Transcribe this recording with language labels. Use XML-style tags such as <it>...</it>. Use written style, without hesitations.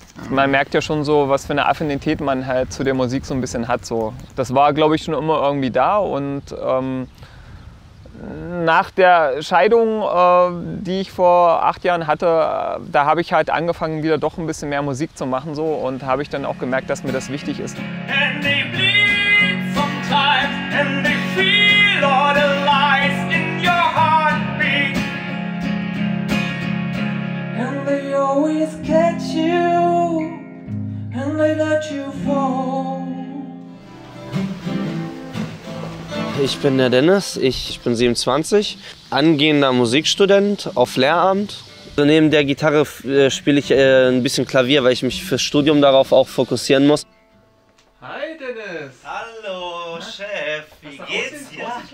<de>Man merkt ja schon so, was für eine Affinität man halt zu der Musik so ein bisschen hat. So. Das war, glaube ich, schon immer irgendwie da und nach der Scheidung, die ich vor 8 Jahren hatte, da habe ich halt angefangen, wieder doch ein bisschen mehr Musik zu machen so, und habe ich dann auch gemerkt, dass mir das wichtig ist.</de> <en>And they bleed sometimes and they feel all the lies in your heartbeat. And they always catch you and they let you fall.</en> <de>Ich bin der Dennis, ich bin 27, angehender Musikstudent auf Lehramt. Also neben der Gitarre spiele ich ein bisschen Klavier, weil ich mich fürs Studium darauf auch fokussieren muss. Hi Dennis! Hallo. Na? Chef, wie geht's dir?</de>